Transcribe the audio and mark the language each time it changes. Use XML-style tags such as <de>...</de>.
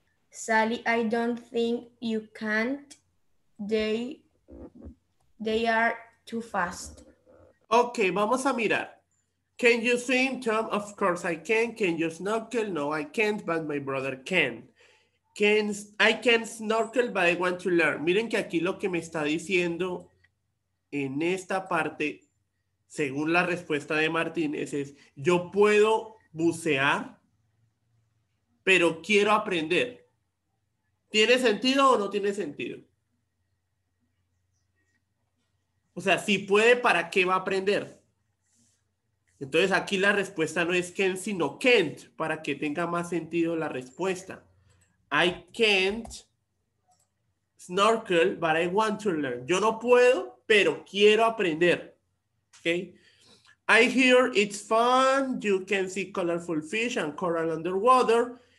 <en>Sally, I don't think you can't. They are too fast. Ok,</en> <es>vamos a mirar.</es> <en>Can you swim, Tom? Of course I can. Can you snorkel? No, I can't, but my brother can. I can snorkel, but I want to learn.</en> <es>Miren que aquí lo que me está diciendo en esta parte, según la respuesta de Martínez, es yo puedo bucear, pero quiero aprender. ¿Tiene sentido o no tiene sentido? O sea, si puede, ¿para qué va a aprender? Entonces aquí la respuesta no es can, sino can't, para que tenga más sentido la respuesta.</es> <en>I can't snorkel, but I want to learn.</en> <es>Yo no puedo, pero quiero aprender. Okay.</es> <en>I hear it's fun. You can see colorful fish and coral underwater.</en>